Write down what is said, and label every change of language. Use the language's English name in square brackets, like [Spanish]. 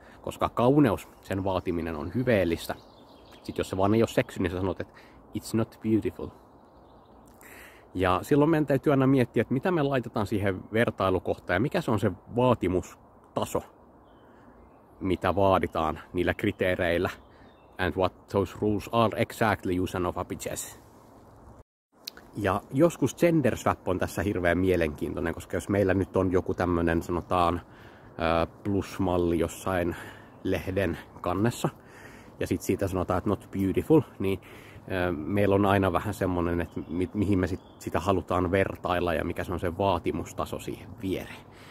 [Finnish] Koska kauneus, sen vaatiminen on hyveellistä. Sitten jos se vaan ei ole seksy, niin sä sanot, että [English] it's not beautiful. [Finnish] Ja silloin meidän täytyy aina miettiä, että mitä me laitetaan siihen vertailukohtaan ja mikä se on se vaatimustaso, mitä vaaditaan niillä kriteereillä. [English] And what those rules are exactly, you son of a bitches. [Finnish] Ja joskus gender swap on tässä hirveän mielenkiintoinen, koska jos meillä nyt on joku tämmönen, sanotaan, plusmalli jossain lehden kannessa, ja sit siitä sanotaan, että [English] not beautiful, [Finnish] niin meillä on aina vähän semmonen, että mihin me sitä halutaan vertailla ja mikä se on se vaatimustaso siihen viereen.